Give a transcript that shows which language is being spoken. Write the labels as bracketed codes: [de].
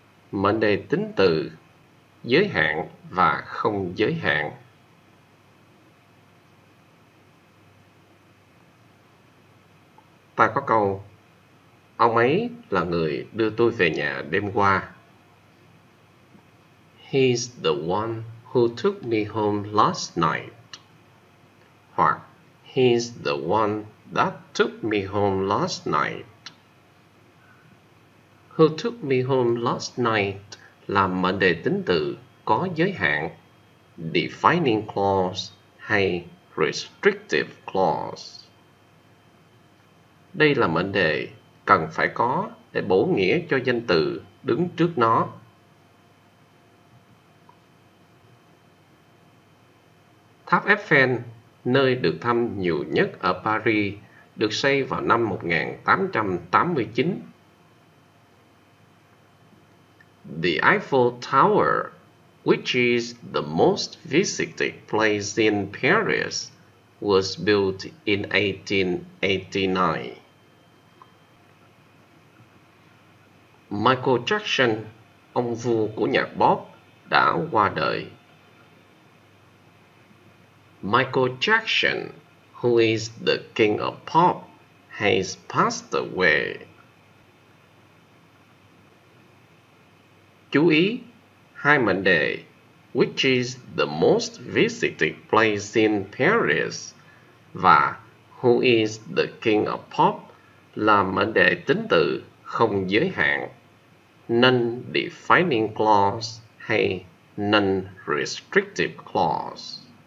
[vi] Mệnh đề tính từ giới hạn và không giới hạn. Ta có câu: ông ấy là người đưa tôi về nhà đêm qua. [en] He's the one who took me home last night. Hoặc he's the one that took me home last night. Who took me home last night [vi] là mệnh đề tính từ có giới hạn, [en] defining clause hay restrictive clause. [vi] Đây là mệnh đề cần phải có để bổ nghĩa cho danh từ đứng trước nó. Tháp Eiffel, nơi được thăm nhiều nhất ở Paris, được xây vào năm 1889. [en] The Eiffel Tower, which is the most visited place in Paris, was built in 1889. [vi] Michael Jackson, ông vua của nhạc pop, đã qua đời. [en] Michael Jackson, who is the king of pop, has passed away. [vi] Chú ý, hai mệnh đề, [en] which is the most visited place in Paris, [vi] và [en] who is the king of pop, [vi] là mệnh đề tính từ không giới hạn, non-defining clause hay non-restrictive clause.